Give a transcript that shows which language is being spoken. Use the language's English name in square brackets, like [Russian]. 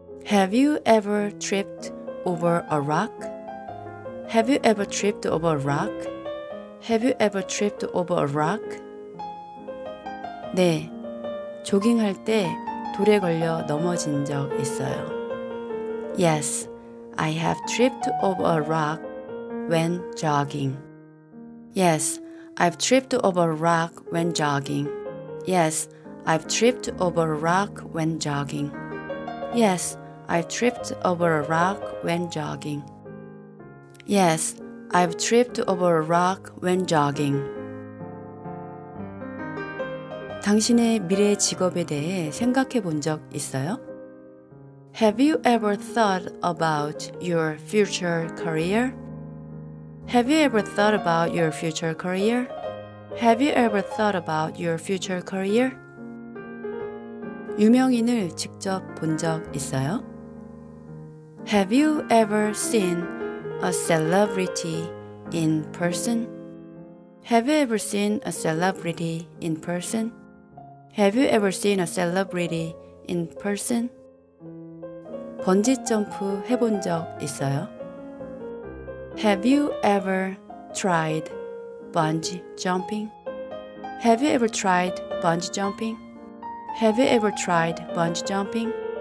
[English] Have you ever tripped over a rock? Have you ever tripped over a rock? Have you ever tripped over a rock? [Korean] 네, 조깅할 때 돌에 걸려 넘어진 적 있어요. [English] Yes, I have tripped over a rock when jogging. Yes, I've tripped over a rock when jogging. Yes, I've tripped over a rock when jogging. Yes, I've tripped over a rock when jogging. Yes, I've tripped over a rock when jogging. [Korean] 당신의 미래 직업에 대해 생각해 본 적 있어요? [English] Have you ever thought about your future career? Have you ever thought about your future career? Have you ever thought about your future career? [Korean] 유명인을 직접 본 적 있어요? [English] Have you ever seen a celebrity in person? Have you ever seen a celebrity in person? Have you ever seen a celebrity in person? [Korean] 번지점프 해본 적 있어요? [English] Have you ever tried bungee jumping? Have you ever tried bungee jumping? Have you ever tried bungee jumping?